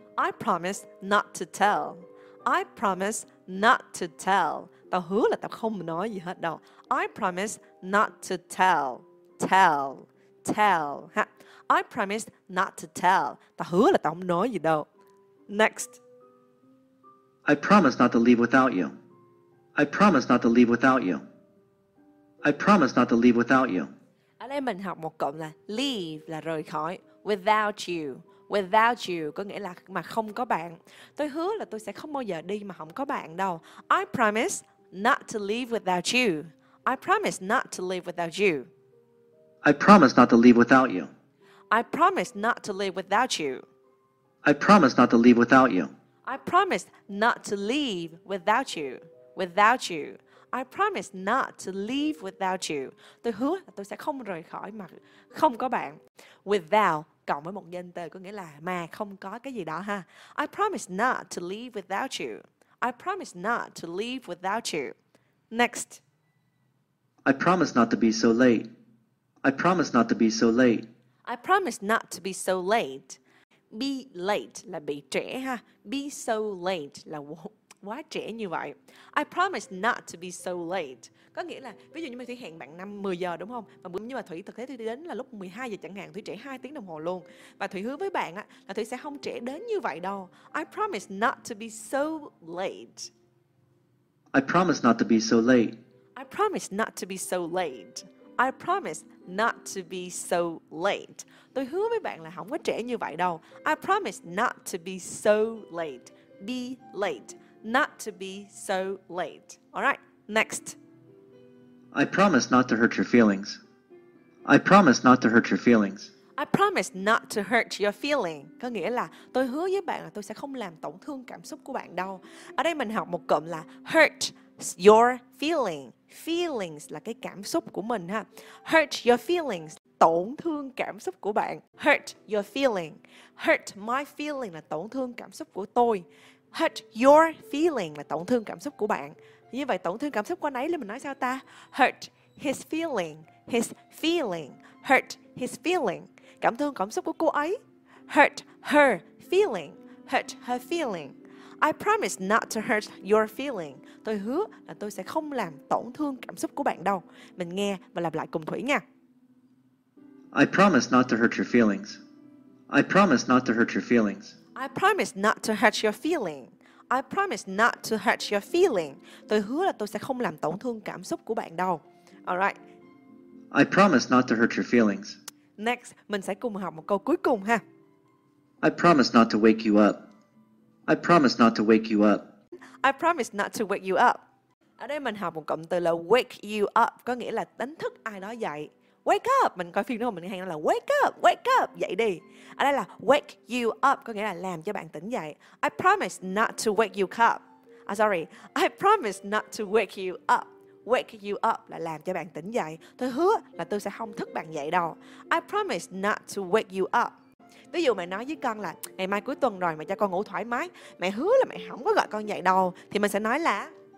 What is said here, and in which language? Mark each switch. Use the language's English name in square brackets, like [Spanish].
[English] I promise not to tell. I promise not to tell. [Vietnamese] Ta hứa là ta không nói gì hết đâu. [English] I promise not to tell. Tell. Tell. I promise not to tell. [Vietnamese] Ta hứa là ta không nói gì đâu. [English] Next. I promise not to leave without you. I promise not to leave without you. I promise not to leave without you. [Vietnamese] Ở đây mình học một cụm là leave là rời khỏi, [English] without you. Without you [Vietnamese] có nghĩa là mà không có bạn. Tôi hứa là tôi sẽ không bao giờ đi mà không có bạn đâu. [English] I promise not to leave without you. I promise not to leave without you. I promise not to leave without you. I promise not to leave without you. I promise not to leave without you. I promise not to leave without you. Without you. I promise not to leave without you. [Vietnamese] Tôi hứa là tôi sẽ không rời khỏi mà không có bạn. [English] Without [Vietnamese] cộng với một danh từ có nghĩa là mà không có cái gì đó ha. [English] I promise not to leave without you. I promise not to leave without you. Next. I promise not to be so late. I promise not to be so late. I promise not to be so late. Be late [Vietnamese] là bị trễ ha. [English] Be so late [Vietnamese] là quá trễ như vậy. [English] I promise not to be so late. [Vietnamese] Có nghĩa là ví dụ như mình Thủy hẹn bạn 5-10 giờ đúng không? Mà nhưng mà Thủy thực tế Thủy đến là lúc 12 giờ chẳng hạn, Thủy trễ 2 tiếng đồng hồ luôn. Và Thủy hứa với bạn á là Thủy sẽ không trễ đến như vậy đâu. [English] I promise not to be so late. I promise not to be so late. I promise not to be so late. I promise not to be so late. [Vietnamese] Tôi hứa với bạn là không có trễ như vậy đâu. [English] I promise not to be so late. Be late. Not to be so late. All right, next. I promise not to hurt your feelings. I promise not to hurt your feelings. I promise not to hurt your feeling. [Vietnamese] Có nghĩa là tôi hứa với bạn là tôi sẽ không làm tổn thương cảm xúc của bạn đâu. Ở đây mình học một cụm là hurt your feeling. Feelings là cái cảm xúc của mình ha. [English] Hurt your feelings, [Vietnamese] tổn thương cảm xúc của bạn. [English] Hurt your feeling. Hurt my feeling [Vietnamese] là tổn thương cảm xúc của tôi. [English] Hurt your feeling [Vietnamese] là tổn thương cảm xúc của bạn. Như vậy tổn thương cảm xúc của anh ấy là mình nói sao ta? [English] Hurt his feeling. His feeling. Hurt his feeling. [Vietnamese] Cảm thương cảm xúc của cô ấy. [English] Hurt her feeling. Hurt her feeling. I promise not to hurt your feeling. [Vietnamese] Tôi hứa là tôi sẽ không làm tổn thương cảm xúc của bạn đâu. Mình nghe và lặp lại cùng Thủy nha. [English] I promise not to hurt your feelings. I promise not to hurt your feelings. I promise not to hurt your feeling. I promise not to hurt your feeling. [Vietnamese] Tôi hứa là tôi sẽ không làm tổn thương cảm xúc của bạn đâu. [English] All right. I promise not to hurt your feelings. [Vietnamese] Next, mình sẽ cùng học một câu cuối cùng ha. [English] I promise not to wake you up. I promise not to wake you up. I promise not to wake you up. [Vietnamese] Ở đây mình học một cụm từ là [English] wake you up, [Vietnamese] có nghĩa là đánh thức ai đó dậy. [English] Wake up, [Vietnamese] mình coi phim đúng không? Mình hay nói là wake up, dậy đi. Ở đây là [English] wake you up, [Vietnamese] có nghĩa là làm cho bạn tỉnh dậy. [English] I promise not to wake you up. I promise not to wake you up. Wake you up [Vietnamese] là làm cho bạn tỉnh dậy. Tôi hứa là tôi sẽ không thức bạn dậy đâu. [English] I promise not to wake you up. [Vietnamese] Ví dụ mẹ nói với con là ngày mai cuối tuần rồi mà cho con ngủ thoải mái, mẹ hứa là mẹ không có gọi con dậy đâu, thì mình sẽ nói là